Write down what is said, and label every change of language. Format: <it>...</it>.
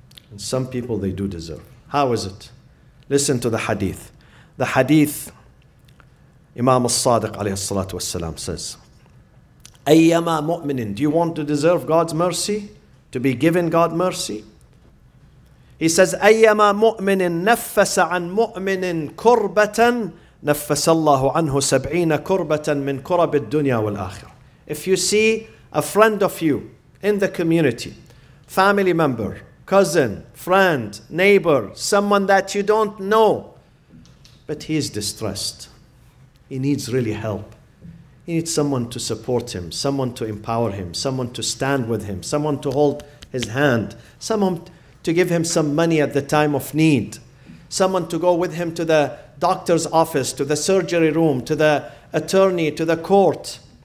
<en>And some people, they do deserve. How is it? Listen to the hadith. The hadith, Imam al-Sadiq alayhi salatu wasalam says,</en> <ar>أَيَّمَا مُؤْمِنٍ.</ar> <en>Do you want to deserve God's mercy? To be given God's mercy? He says,</en> <ar>أَيَّمَا مُؤْمِنٍ نَفَّسَ عَنْ مُؤْمِنٍ كُرْبَةً نَفَّسَ اللَّهُ عَنْهُ سَبْعِينَ كُرْبَةً مِنْ كُرَبِ الدُّنْيَا وَالْآخِرَةِ.</ar> <en>If you see a friend of you in the community, family member, cousin, friend, neighbor, someone that you don't know, but he is distressed. He needs really help. He needs someone to support him, someone to empower him, someone to stand with him, someone to hold his hand, someone to give him some money at the time of need, someone to go with him to the doctor's office, to the surgery room, to the attorney, to the court.</en>